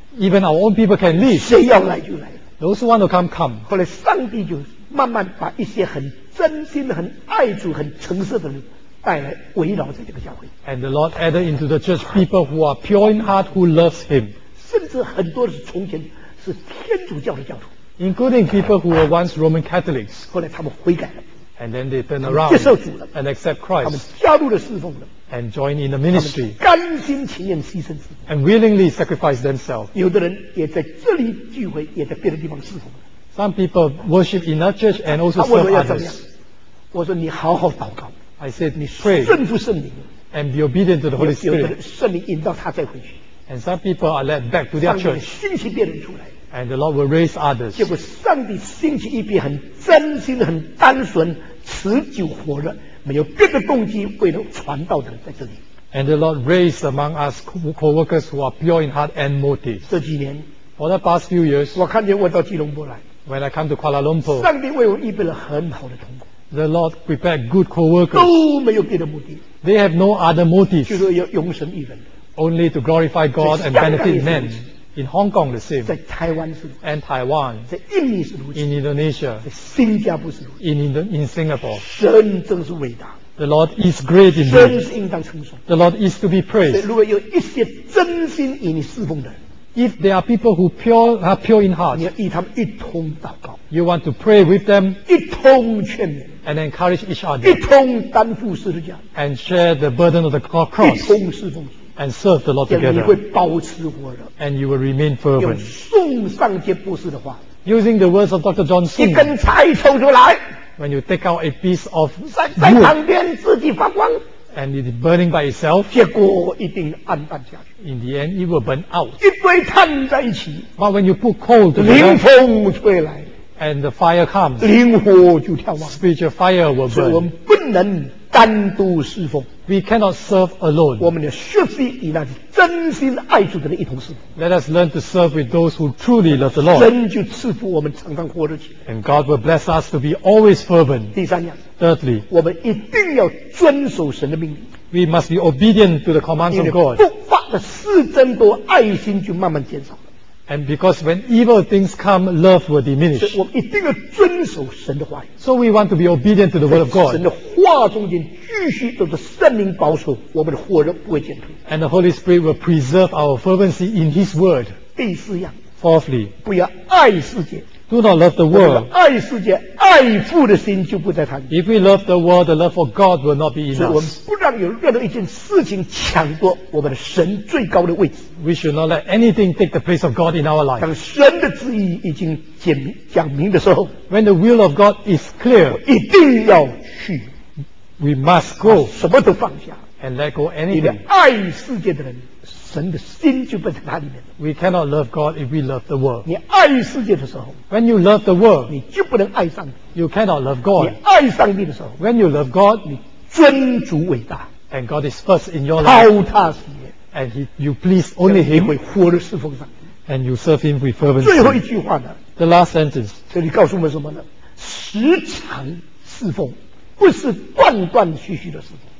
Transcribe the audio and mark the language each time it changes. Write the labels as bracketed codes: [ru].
[en] Even our own people can leave. [zh] 谁要来就来。 [en] Those who want to come, come. [zh] 后来上帝就慢慢把一些很真心的、很爱主、很诚实的人带来围绕在这个教会。 [en] And the Lord added into the church people who are pure in heart, who loves Him. [zh] 甚至很多是从前是天主教的教徒。 [en] Including people who were once Roman Catholics. [zh] 后来他们悔改了。 [en] And then they turn around. [zh] 接受主了。 [en] And accept Christ. [zh] 他们加入了侍奉了。 [en] And join in the ministry. [zh] 甘心情愿牺牲自己。 [en] And willingly sacrifice themselves. [zh] 有的人也在这里聚会，也在别的地方侍奉。 [en] Some people worship in that church and also serve others. [zh] 他问我要怎么样？我说你好好祷告。 [en] I said, [zh] 你 [en] pray. [zh] 顺服圣灵。 [en] And be obedient to the Holy Spirit. [zh] 有的人圣灵引导他再回去。 [en] And some people are led back to their church. [zh] 上帝兴起别人出来。 [en] And the Lord will raise others. [zh] 结果上帝兴起一批很真心、很单纯、持久火热，没有别的动机为了传道的人在这里。 [en] And the Lord raised among us co-workers who are pure in heart and motive. [zh] 这几年 [en] ，for the past few years， [zh] 我看见我到吉隆坡来 [en] ，when I come to Kuala Lumpur， [zh] 上帝为我预备了很好的同工。 [en] The Lord prepared good co-workers. [zh] 都没有别的目的。 [en] They have no other motives. [zh] 就是要用神预备。 [en] Only to glorify God and benefit men. In Hong Kong the same. [zh] 在台湾是。 [en] And Taiwan. [zh] 在印尼是如此。 [en] In Indonesia. [zh] 在新加坡是如此。 [en] In Singapore. [zh] 神真是伟大。 [en] The Lord is great in me. [zh] 神是应当称颂。 [en] The Lord is to be praised. [zh] 如果有一些真心与你侍奉的人。 [en] If there are people who are pure in heart. [zh] 你要与他们一同祷告。 [en] You want to pray with them. [zh] 一同劝勉。 [en] And encourage each other. [zh] 一同担负十字架。 [en] And share the burden of the cross. [zh] 一同侍奉。 [en] And serve the Lord together. [zh] 你会保持火热。 [en] And you will remain fervent. [zh] 用宋尚杰博士的话。 [en] Using the words of Dr. John Sung. [zh] 一根柴抽出来。 [en] When you take out a piece of wood. [zh] 在旁边自己发光。 [en] And it is burning by itself. [zh] 结果一定暗淡下去。 [en] In the end, it will burn out. [zh] 一堆炭在一起。 [en] But when you put coal together. [zh] 灵风吹来。 [en] And the fire comes. [zh] 灵火就跳旺。 [en] Spiritual fire will burn. [zh] 所以我们不能单独侍奉。 [en] We cannot serve alone. [zh] 我们要学习与那些真心爱主的人一同侍奉。 [en] Let us learn to serve with those who truly love the Lord. [zh] 神就赐福我们常常活着起来。 [en] And God will bless us to be always fervent. [zh] 第三样。 [en] Thirdly, [zh] 我们一定要遵守神的命令。 [en] We must be obedient to the commands of God. [zh] 不法的事增多，爱心就慢慢减少。 [en] And because when evil things come, love will diminish. [zh] 我们一定要遵守神的话语。 [en] So we want to be obedient to the word of God. [zh] 神的话中间继续都是圣灵保守，我们的火热不会减退。 [en] And the Holy Spirit will preserve our fervency in His word. [zh] 第四样。 [en] Fourthly, [zh] 不要爱世界。 [en] Do not love the world. [zh] 爱世界，爱父的心就不在他里。 [en] If we love the world, the love for God will not be in us. [zh] 所以我们不让有任何一件事情抢夺我们的神最高的位置。 [en] We should not let anything take the place of God in our life. [zh] 当神的旨意已经讲明的时候 [en] ，When the will of God is clear, [zh] 一定要去。 [en] We must go. [zh] 什么都放下 [en] ，and let go anything. [zh] 你的爱世界的人。神的心就不在他里面。 [en] We cannot love God if we love the world. [zh] 你爱世界的时候 [en] ，When you love the world， [zh] 你就不能爱上帝。 [en] You cannot love God. [zh] 你爱上帝的时候 [en] ，When you love God， [zh] 你尊主伟大。 [en] And God is first in your life. [zh] 靠他喜悦。 [en] And you please only Him. [zh] 你会活的侍奉上帝。 [en] And you serve Him with fervency. [zh] 最后一句话呢 [en] ？The last sentence. [zh] 这里告诉我们什么呢？时常侍奉，不是断断续续的侍奉。